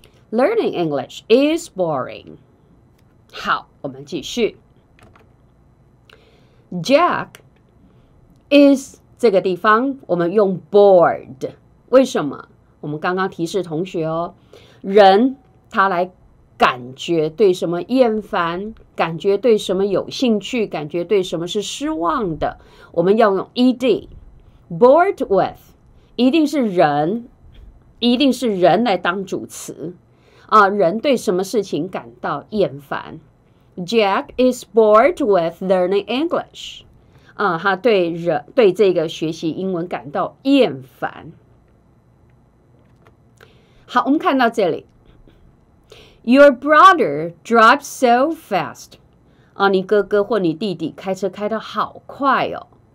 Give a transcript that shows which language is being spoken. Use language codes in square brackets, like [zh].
[en] Learning English is boring. [zh] 好，我们继续。 [en] Jack is [zh] 这个地方，我们用 bored. 为什么？我们刚刚提示同学哦，人他来感觉对什么厌烦，感觉对什么有兴趣，感觉对什么是失望的，我们要用 ed. [en] Bored with [zh] 一定是人。一定是人来当主词啊，人对什么事情感到厌烦。 [en] Jack is bored with learning English。 [zh] 啊，他对人对这个学习英文感到厌烦。好，我们看到这里。 [en] Your brother drives so fast。 [zh] 啊，你哥哥或你弟弟开车开得好快哦。